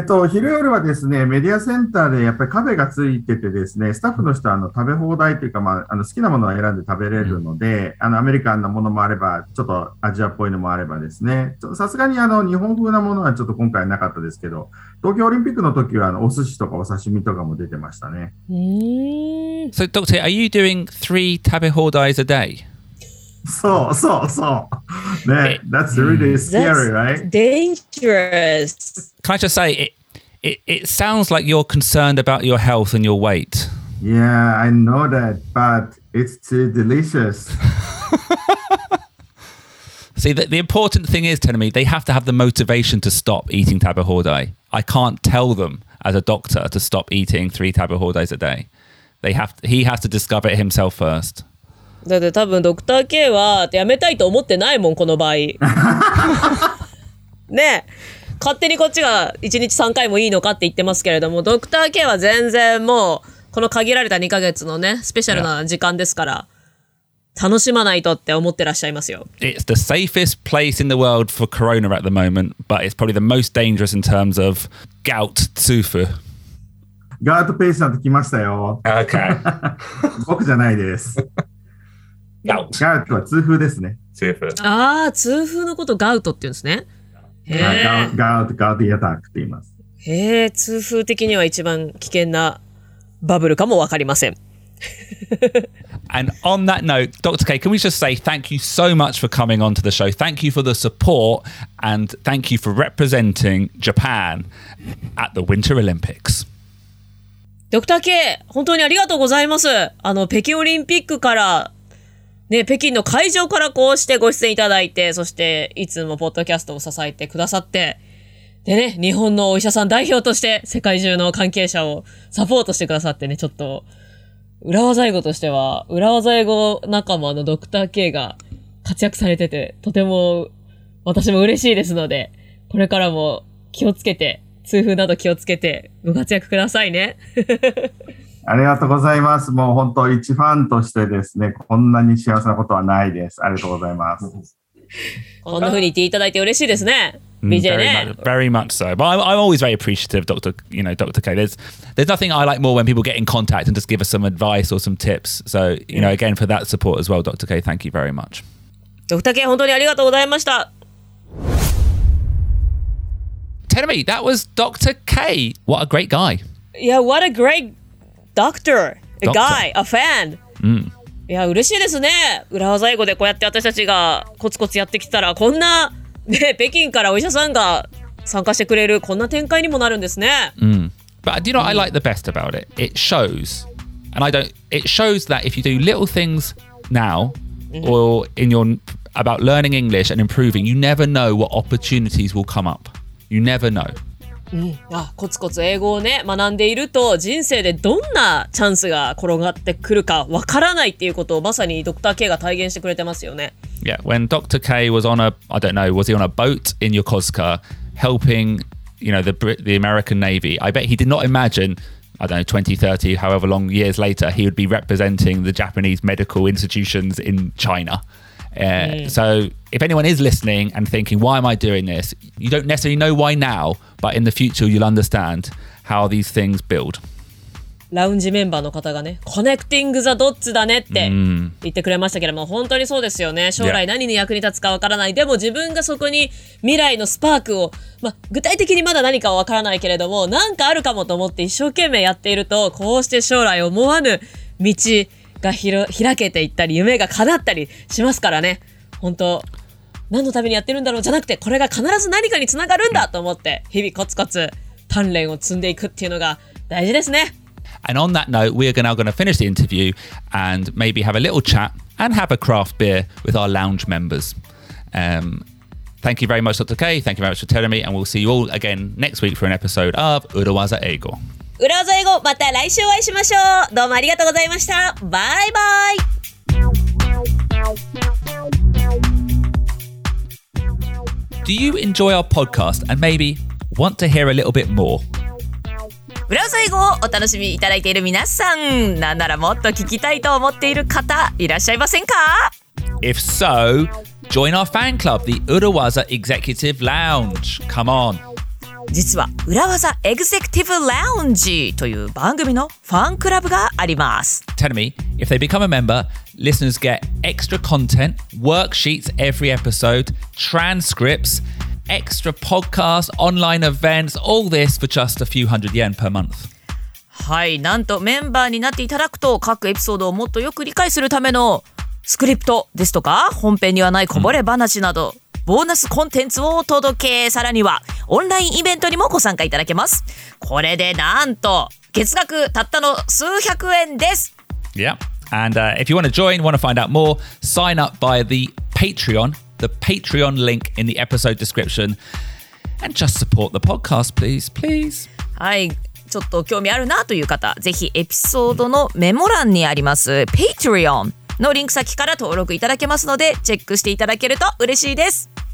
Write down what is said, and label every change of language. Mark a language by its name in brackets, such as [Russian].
[Japanese] 昼夜はですね、メディアセンターでやっぱりカフェがついててですね、スタッフの人はあの食べ放題というか、まあ、好きなものを選んで食べれるので、うん、アメリカンなものもあれば、ちょっとアジアっぽいのもあればですね、さすがに日本風なものはちょっと今回なかったですけど、東京オリンピックの時はお寿司とかお刺身とかも出てましたね。 [English] So, Doctor, are you doing three 食べ放題 a day? [Japanese] そう。ね、 [English] that's really scary, right? Dangerous. Can I just say, it sounds like you're concerned about your health and your weight. Yeah, I know that, but it's too delicious. See, the important thing is, Tenami, they have to have the motivation to stop eating tabe hordai. I can't tell them as a doctor to stop eating three tabe hordais a day. He has to discover it himself first. [Japanese] だって多分ドクター K はやめたいと思ってないもん、この場合。ねえ。勝手にこっちが1日3回もいいのかって言ってますけれども、ドクター K は全然もうこの限られた2ヶ月のねスペシャルな時間ですから、楽しまないとって思ってらっしゃいますよ。 [English] It's the safest place in the world for corona at the moment, but it's probably the most dangerous in terms of gout tsufu. Gout patient [Japanese] 来ましたよ。 [English] Okay. [Japanese] 僕じゃないです。 [English] Gout [Japanese] は痛風ですね。痛風。ああ、痛風のことガウトって言うんですね。ガウトアタックと言います。へえ、痛風的には一番危険なバブルかも分かりません。 [English] And on that note, Dr. K, can we just say thank you so much for coming onto the show. Thank you for the support and thank you for representing Japan at the Winter Olympics. Dr. [Japanese] K, 本当にありがとうございます。北京オリンピックからね、北京の会場からこうしてご出演いただいて、そしていつもポッドキャストを支えてくださって、でね、日本のお医者さん代表として世界中の関係者をサポートしてくださってね、ちょっと裏技英語としては裏技英語仲間のドクター K が活躍されてて、とても私も嬉しいですので、これからも気をつけて、痛風など気をつけてご活躍くださいね。ありがとうございます。もう本当一ファンとしてですね、こんなに幸せなことはないです。ありがとうございます。こんな風に言っていただいて嬉しいですね、BJ ね。 [English] Very much so. But I'm always very appreciative, Dr. K. There's nothing I like more when people get in contact and just give us some advice or some tips. So, you know, again, for that support as well, Dr. K, thank you very much. Dr. [Japanese] K, 本当にありがとうございました。 [English] Tenami, that was Dr. K. What a great guy. Yeah, what a great guyDoctor, a guy, a fan. [Japanese] いや、嬉しいですね。裏技英語でこうやって私たちがコツコツやってきたら、こんな、ね、北京からお医者さんが参加してくれる、こんな展開にもなるんですね。 [English] But do you know what I like the best about it? It shows And I don't, it shows that if you do little things now or in your, about learning English and improving, you never know what opportunities will come up. You never know. [Japanese] うん、あ、コツコツ英語をね学んでいると人生でどんなチャンスが転がってくるかわからないっていうことをまさにドクター K が体現してくれてますよね。 [English] Yeah, when Dr. K was on a, I don't know, was he on a boat in Yokosuka helping, you know, the American Navy, I bet he did not imagine, I don't know, 20, 30, however long years later, he would be representing the Japanese medical institutions in China. So if anyone is listening and thinking, why am I doing this? You don't necessarily know why now, but in the future, you'll understand how these things build. [Japanese] ラウンジメンバーの方がね、コネクティングザドッツだねって言ってくれましたけども、本当にそうですよね。将来何に役に立つかわからない。でも自分がそこに未来のスパークを、まあ、具体的にまだ何かはわからないけれども、なんかあるかもと思って一生懸命やっていると、こうして将来思わぬ道、が開けていったり夢が叶ったりしますからね。本当何のためにやってるんだろうじゃなくて、これが必ず何かにつながるんだと思って、日々コツコツ鍛錬を積んでいくっていうのが大事ですね。 [English] And on that note, we are now going to finish the interview and maybe have a little chat and have a craft beer with our lounge members. Thank you very much, Dr. K. Thank you very much for telling me, and we'll see you all again next week for an episode of 裏技英語。 [Japanese] 裏技英語、また来週お会いしましょう。どうもありがとうございました。バイバイ。 [English] Do you enjoy our podcast and maybe want to hear a little bit more? [Japanese] 裏技英語をお楽しみいただいている皆さん、なんならもっと聞きたいと思っている方いらっしゃいませんか？ [English] If so, join our fan club, the 裏技 Executive Lounge. Come on. [Japanese] 実は裏技エグゼクティブラウンジという番組のファンクラブがあります。 [English] Tell me, if they become a member, listeners get extra content, worksheets every episode, transcripts, extra podcasts, online events, all this for just a few hundred yen per month. [Japanese] はい、なんとメンバーになっていただくと各エピソードをもっとよく理解するためのスクリプトですとか本編にはないこぼれ話など、うんボーナスコンテンツをお届け、さらにはオンラインイベントにもご参加いただけます。これでなんと月額たったの数百円です。 [English] Yeah, and if you want to join, want to find out more, sign up by the Patreon link in the episode description, and just support the podcast, please, please. [Japanese] はい、ちょっと興味あるなという方、ぜひエピソードのメモ欄にあります Patreon のリンク先から登録いただけますので、チェックしていただけると嬉しいです。